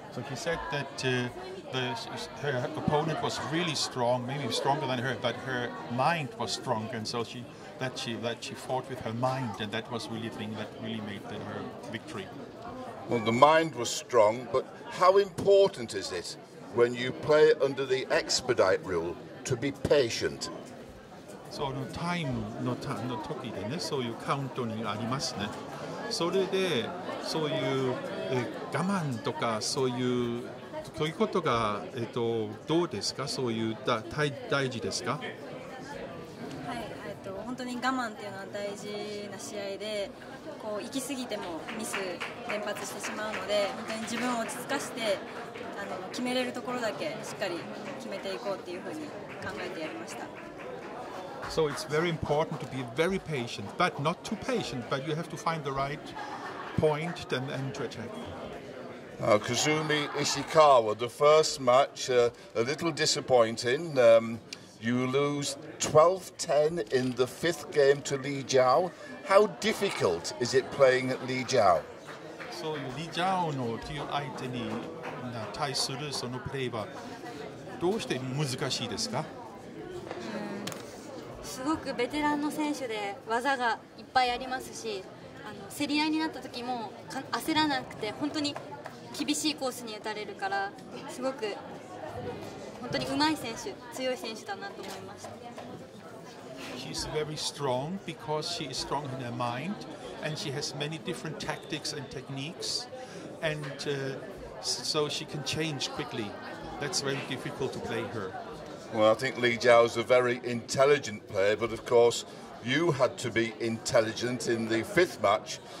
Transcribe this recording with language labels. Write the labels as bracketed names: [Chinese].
[English] So he said that her opponent was really strong, maybe stronger than her, but her mind was strong, and so she fought with her mind, and that was really the thing that really made her victory. Well, the mind was strong, but how important is it when you play under the expedite rule to be patient? [Japanese] そのタイムの時でね、そういうカウントにありますね。それでそういう我慢とかそういうそういうことが、どうですか、そういう大事ですか。はい、本当に我慢っていうのは大事な試合で、こう行き過ぎてもミス連発してしまうので、本当に自分を落ち着かせて決めれるところだけしっかり決めていこうっていうふうに考えてやりました。 [English] So it's very important to be very patient, but not too patient, but you have to find the right point and to attack. Now, Kasumi Ishikawa, the first match, a little disappointing. You lose 12-10 in the fifth game to Li Jiao. How difficult is it playing at Li Jiao? [Japanese] So Li Jiao no という相手に対するそのプレーはどうして難しいですか？すごくベテランの選手で技がいっぱいありますし、競り合いになった時も焦らなくて本当に厳しいコースに打たれるから、すごく本当に上手い選手、強い選手だなと思いました。 [English] She's very strong because she is strong in her mind and she has many different tactics and techniques and so she can change quickly. That's very difficult to play her. Well, I think Li Jiao is a very intelligent player, but of course, you had to be intelligent in the fifth match.